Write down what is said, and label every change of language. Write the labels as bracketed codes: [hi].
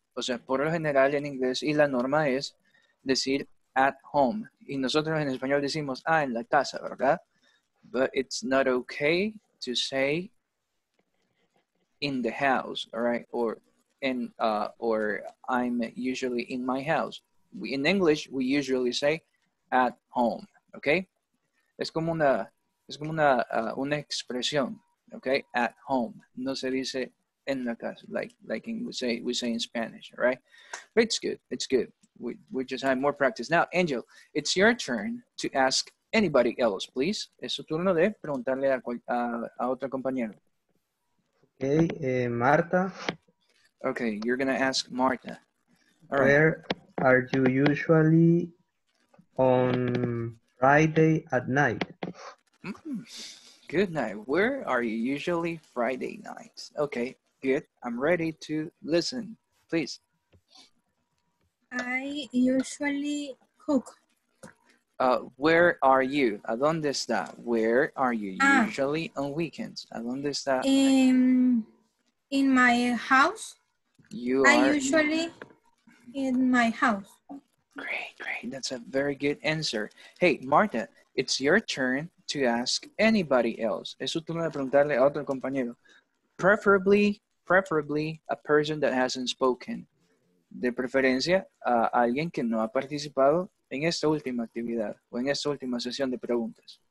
[es] O sea, por lo general en inglés, y la norma es decir at home. Y nosotros en español decimos, en la casa, ¿verdad? [en] But it's not okay to say in the house, all right? Or I'm usually in my house. In English, we usually say at home, okay? [es] Es como una expresión. Okay, at home. No se dice en la casa, [en] like in, we say in Spanish, right? But it's good. It's good. We just have more practice. Now, Angel, it's your turn to ask anybody else, please. [es] Es su turno de preguntarle a otro compañero. [en] Okay, Marta. Okay, you're going to ask Marta. All right. Where are you usually on Friday at night? Good night. Where are you usually Friday nights? Okay, good. I'm ready to listen. Please. I usually cook. Where are you? [es] ¿A dónde está? [en] Where are you usually on weekends? ¿A dónde está? In my house. You are? I usually in my house. Great, great. That's a very good answer. Hey, Marta, it's your turn to ask anybody else. [es] Es su turno de preguntarle a otro compañero. [en] Preferably a person that hasn't spoken. [es] De preferencia, a alguien que no ha participado en esta última actividad o en esta última sesión de preguntas.